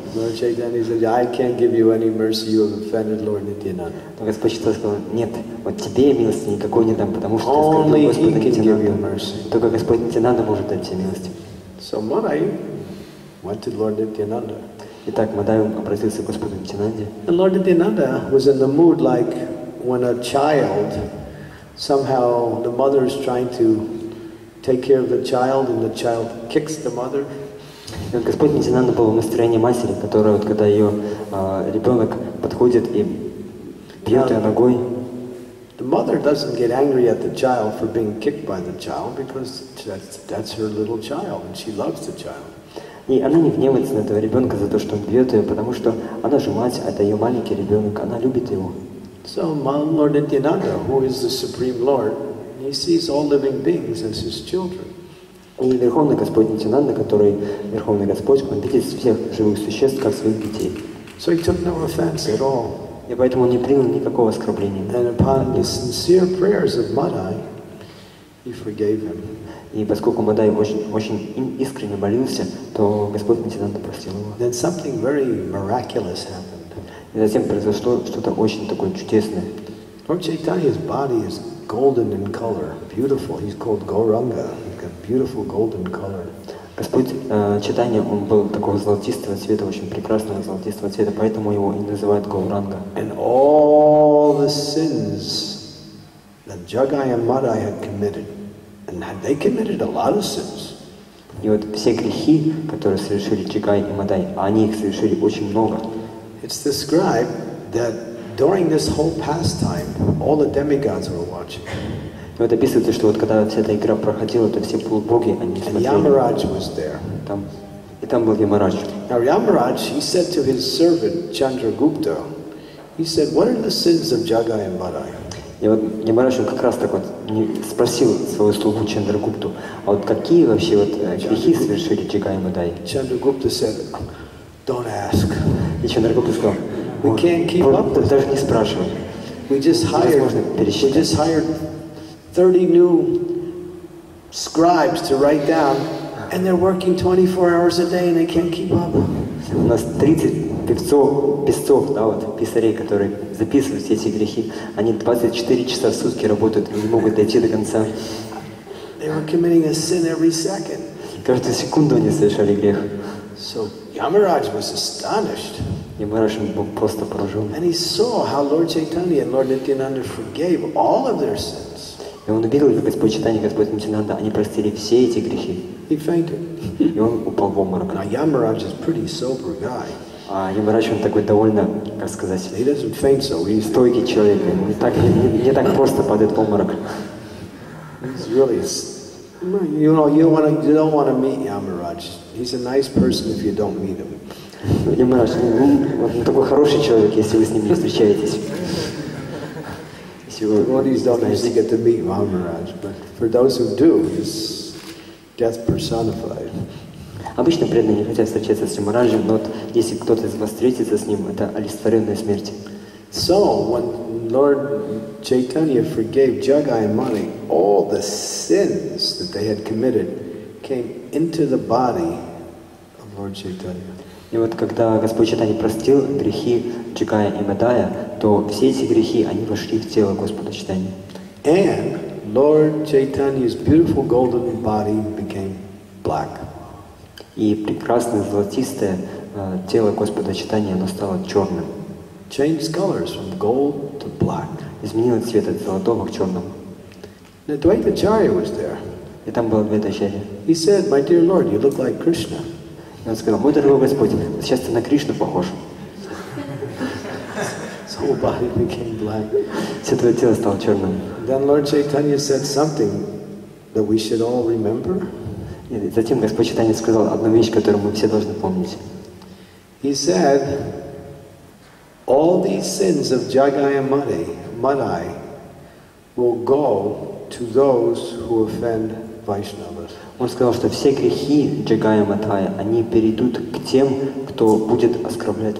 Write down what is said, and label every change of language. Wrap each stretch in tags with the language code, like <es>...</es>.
<en>Lord Chaitanya said, "I can't give you any mercy. You have offended Lord Nityananda."</en> <ru>Господь Чайтанья сказал, нет, вот тебе милости никакой не дам, потому что ты оскорбил Господа Нитьянанду. Только Господь Нитьянанда может дать тебе милость.</ru> <en>So Madai went to Lord Nityananda.</en> <ru>Итак, Мадай обратился к Господу Нитьянанде.</ru> <en>And Lord Nityananda was in the mood like when a child, somehow the mother is trying to take care of the child, and the child kicks the mother.</en> <ru>Господь Нитьянанда был в настроении матери, которая вот когда ее ребенок подходит и бьет ее ногой.</ru> <en>The mother doesn't get angry at the child for being kicked by the child because that's her little child and she loves the child.</en> <ru>И она не гневается на этого ребенка за то, что он бьет ее, потому что она же мать, это ее маленький ребенок, она любит его.</ru> <en>So Lord Nityananda, who is the Supreme Lord. He sees all living beings as his children.</en> <ru>И Верховный Господь Нитьянанда, который Верховный Господь, он видит всех живых существ как своих детей.</ru> <en>So he took no offense at all.</en> <ru>И поэтому он не принял никакого оскорбления.</ru> <en>And upon the sincere prayers of Madai, he forgave him.</en> <ru>И поскольку Мадай очень искренне молился, то Господь Нитьянанда простил его.</ru> <en>Then something very miraculous happened.</en> <ru>И затем произошло что-то очень такое чудесное.</ru> <en>Lord Chaitanya's body is golden in color, beautiful. He's called Gauranga. He's got beautiful golden color.</en> <ru>Господь Чайтанья, он был такого золотистого цвета, очень прекрасного золотистого цвета, поэтому его и называют Гауранга.</ru> <en>And all the sins that Jagai and Madai had committed, and they committed a lot of sins.</en> <ru>И вот все грехи, которые совершили Чагай и Мадай, они их совершили очень много.</ru> <en>It's described that during this whole pastime, all the demigods were watching.</en> <ru>И вот описывается, что вот когда вся эта игра проходила, то все полубоги, они смотрели.</ru> <en>Ямарадж was there.</en> <ru>Там, и там был Ямарадж.</ru> <en>Now Ямарадж, he said to his servant Chandragupta, he said, what are the sins of Jagai and Madai?</en> <ru>И вот Ямарадж, он как раз так вот спросил своего слугу Чандрагупту, а вот какие вообще вот грехи совершили Джагай и Мадай?</ru> <en>Chandragupta said, don't ask.</en> <ru>И Чандрагупта сказал,</ru> <en>we can't keep up with</en> <ru>даже не спрашивай.</ru> <en>We just hired 30 new scribes to write down, and they're working 24 hours a day, and they can't keep up.</en> <ru>У нас 30 певцов, да, вот, писарей, которые записывают все эти грехи. Они 24 часа в сутки работают и не могут дойти до конца.</ru> <en>They were committing a sin every second.</en> <ru>Каждую секунду они совершали грех.</ru> <en>So Yamaraj was astonished.</en> <ru>Yamaraj был просто поражен.</ru> <en>And he saw how Lord Chaitanya and Lord Nityananda forgave all of their sins.</en> <ru>И он увидел, как Господь Чайтанья, Господь Нитинанда, они простили все эти грехи.</ru> <en>He fainted.</en> <ru>И он упал в обморок.</ru> <en>Now Yamaraj is pretty sober guy.</en> <ru>А Yamaraj, он такой довольно, как сказать,</ru> <en>he doesn't faint so easy.</en> <ru>Стойкий человек, он не так просто падает в обморок.</ru> <en>He's really, you know, you don't want to meet Yamaraj. He's a nice person if you don't meet him.</en> <ru>Yamaraj, он такой хороший человек, если вы с ним не встречаетесь.</ru> <en>Devotees don't usually get to meet Yamaraj, but for those who do, he's death personified.</en> <ru>Обычно преданные не хотят встречаться с Yamarajем, но если кто-то из вас встретится с ним, это олицетворенная смерть.</ru> <en>So when Lord Chaitanya forgave Jagai and Madai, all the sins that they had committed came into the body of Lord Chaitanya.</en> <ru>И вот когда Господь Чайтанья простил грехи Джагая и Мадая, то все эти грехи, они вошли в тело Господа Чайтанья.</ru> <en>And Lord Chaitanya's beautiful golden body became black.</en> <ru>И прекрасное золотистое тело Господа Чайтанья, оно стало черным.</ru> <en>Changed colors from gold to black.</en> <ru>Изменило цвет от золотого к черному.</ru> <en>The Dvaita Acharya was there.</en> <ru>И там было Dvaita Acharya.</ru> <en>He said, my dear Lord, you look like Krishna.</en> <ru>И он сказал, мой дорогой Господь, сейчас ты на Кришну похож.</ru> <en>His whole body became black.</en> <ru>Все твое тело стало черным.</ru> <en>Then Lord Chaitanya said something that we should all remember.</en> <ru>И затем Господь Чайтанья сказал одну вещь, которую мы все должны помнить.</ru> <en>He said, all these sins of Jagai and Madai will go to those who offend Vaishnavas.</en> <ru>Он сказал, что все грехи Джагая Матая, они перейдут к тем, кто будет оскорблять</ru>